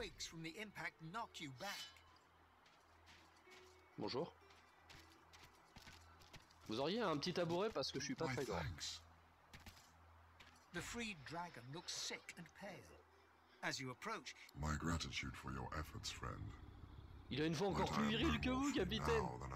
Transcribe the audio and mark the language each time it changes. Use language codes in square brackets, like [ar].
[en] From the impact knock you back. [fr] Bonjour. Vous auriez un petit tabouret parce que je suis pas très grand. [en] The freed dragon looks sick and pale as you approach. My gratitude for your efforts, friend. [fr] Il a une voix encore plus virile que vous, capitaine.